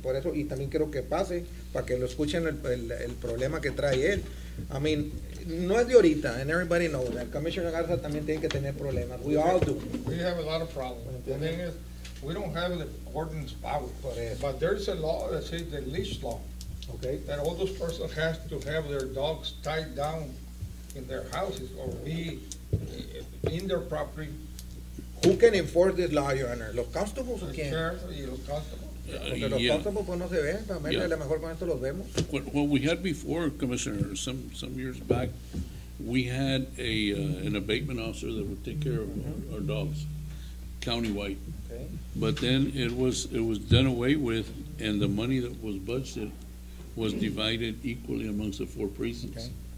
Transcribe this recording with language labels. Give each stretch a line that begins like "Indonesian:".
Spanish: Por eso, y también quiero que pase, para que lo escuchen el problema que trae él.
English: I mean,
Spanish: no es de ahorita,
English: and everybody knows that.
Spanish: Commissioner Garza también tiene que tener problemas.
English: We all do. We have a lot of problems. The thing is, we don't have the ordinance power.
Spanish: Por eso.
English: But there's a law that says the leash law. Okay. That all those persons have to have their dogs tied down in their houses or be in their property. Who can enforce this law, Your Honor?
Spanish: ¿Los constables o quién?
English: The sheriff
Spanish: y los constables. Porque los constables pues no se ven, también a lo mejor con esto los vemos.
English: What we had before, Commissioner, some years back, we had an abatement officer that would take care of our dogs, countywide. Okay. But then it was done away with, and the money that was budgeted was divided equally amongst the four precincts.